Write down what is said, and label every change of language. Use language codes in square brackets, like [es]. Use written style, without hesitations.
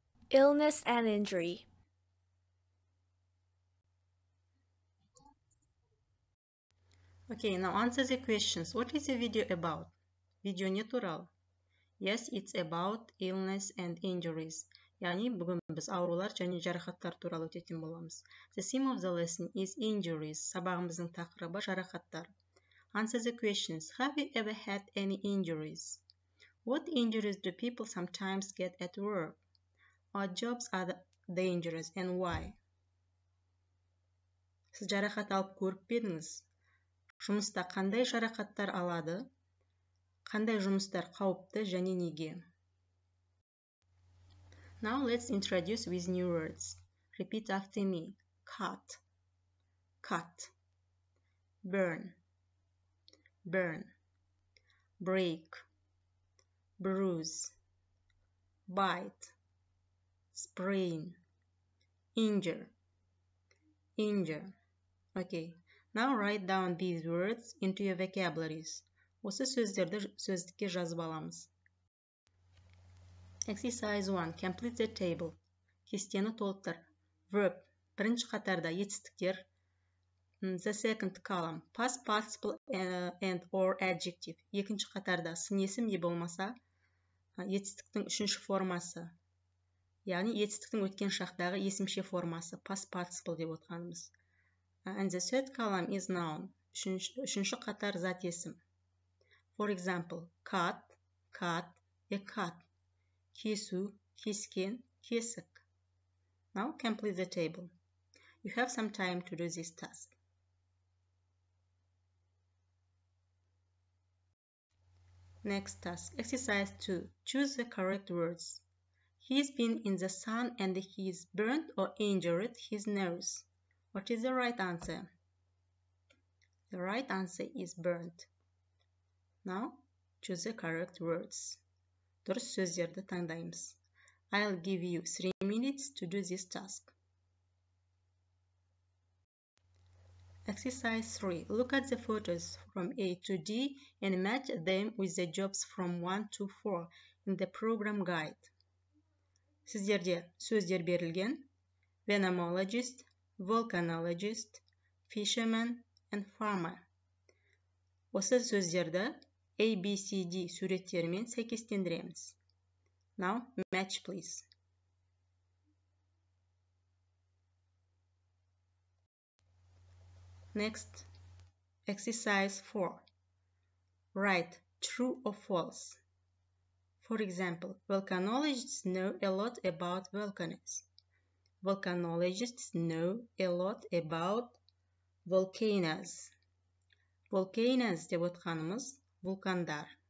[en] Illness and injury. Okay, now answer the questions. What is the video about? Видео natural. Yes, it's about illness and injuries. [kk] Яғни, бүгін біз аурулар және жарақаттар туралы өтетін боламыз. [en] The theme of the lesson is injuries. [kk] Сабағымыздың тақырыбы жарақаттар. [en] Answer the questions. Have you ever had any injuries? What injuries do people sometimes get at work? What jobs are dangerous and why? [kk] Сіз жарақат алып көріп бедіңіз. Жұмыста қандай жарақаттар алады? Қандай жұмыстар қауіпті және неге? [en] Now let's introduce with new words. Repeat after me. Cut. Cut. Burn. Burn. Break. Bruise. Bite. Sprain. Injure. Injure. Okay. Now write down these words into your vocabularies. [kk] Осы сөздерді сөздікке жазып аламыз. [en] Exercise 1. Complete the table. [kk] Кестені толықтыр. [en] Verb. [kk] Бірінші қатарда етістіктер. [en] The second column. Past participle and or adjective. [kk] Екінші қатарда сын есім не болмаса. Етістіктің үшінші формасы. Яғни етістіктің өткен шақтағы есімше формасы. [en] Past participle [kk] деп отқанымыз. [en] And the third column is noun. [kk] Үшінші қатар зат есім. [en] For example. Cut. Cut. A cut. [kk] Кесу, кескен, кесік. [en] Now complete the table. You have some time to do this task. Next task, exercise 2. Choose the correct words. He's been in the sun and he's burnt or injured his nose. What is the right answer? The right answer is burnt. Now, choose the correct words. [kk] Дұрыс сөздерді таңдаймыз. [en] I'll give you 3 minutes to do this task. Exercise 3. Look at the photos from A to D and match them with the jobs from 1 to 4 in the program guide. [kk] Сіздерде сөздер берілген. [en] Venomologist, volcanologist, fisherman and farmer. [kk] Осы сөздерді A, B, C, D суреттерімен сәйкестендіреміз. [en] Now, match please. Next, exercise 4. Write true or false. For example, volcanologists know a lot about volcanoes. Volcanologists know a lot about volcanoes. [kk] Volcanoes деп отқанымыз вулкандар.